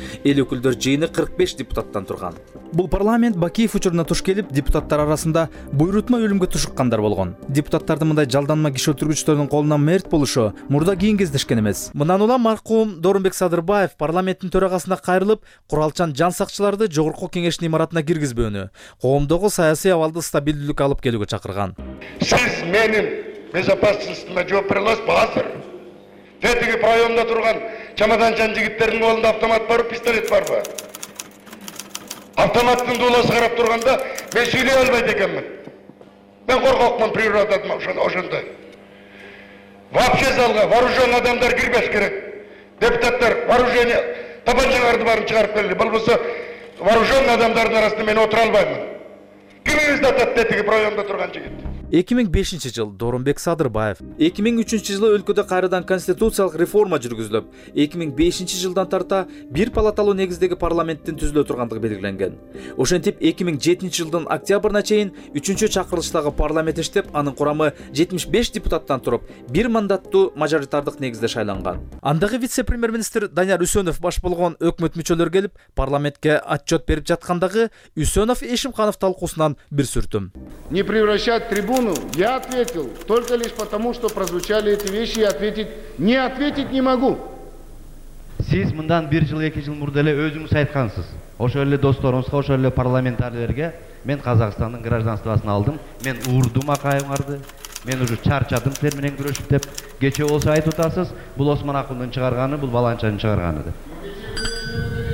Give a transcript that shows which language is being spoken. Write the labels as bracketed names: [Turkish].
[Kyrgyz] Эл өкүлдөр жыйыны 45 депутаттан турган. Бул парламент Бакиев учуруна туш келип, депутаттар арасында буйрутма өлүмгө тушуккандар болгон. Депутаттардын мындай жалданма кишөөтүр күчтөрүнүн колунан мерт болушу мурда кийин кездешкен эмес. Мындан улам маркум Дорунбек Садырбаев парламенттин төрагасына кайрылып, куралчан жан сакчыларды Жогорку Кеңештин имаратына киргизбөөнү, коомдогу саясий абалды стабилдүүлүк алып келүүгө чакырган. Сиз менин безопасностьма жооп бере аласызбы азыр? Тетиги районда турган чамаданчан жигиттердин колунда автомат барбы, пистолет барбы? Автоматтын дулосу карап турганда мен сүйлөй албайт экенмин. Мен коркокмун природадан ошондой. Вообще залга вооружённый адамдар кирбеш керек. Депутаттар вооружение табанчаларды барын чыгарып келди. Болбосо вооружённый адамдардын арасында мен отура албаймын. Кимиңизди атат тетиги районда турган жигит? 2005 жыл Дорунбек Садырбаев. 2003 жылы өлкөдө кайрадан конституциялык реформа жүргүзүлүп, 2005 жылдан тарта бир палаталуу негиздеги парламенттин түзүлө тургандыгы белгиленген. Ошентип 2007 жылдын октябрына чейин 3-чү чакырылыштагы парламент иштеп, анын курамы 75 депутаттан туруп, бир мандаттуу мажоритардык негизде шайланган. Андагы вице-премьер-министр Данияр Үсөнов баш болгон өкмөт мүчөлөр келип, парламентке отчет берип жаткандагы Үсөнов Эшимханов талкуусунан бир сүртүм. [Russian] Не превращать трибуну. Я ответил только лишь потому, что прозвучали эти вещи, и ответить не могу. [Kyrgyz] Сиз мындан бир жыл, эки жыл мурда эле өзүңүз айткансыз. Ошол эле досторуңузга, ошол эле парламентарийлерге мен Казакстандын гражданствосун алдым. Мен урдум Акаевдарды. Мен уже чарчадым силер менен күрөшүп деп. Кечээ болсо айтып атасыз, бул Осман Акындын чыгарганы, бул Баланчанын чыгарганы деп.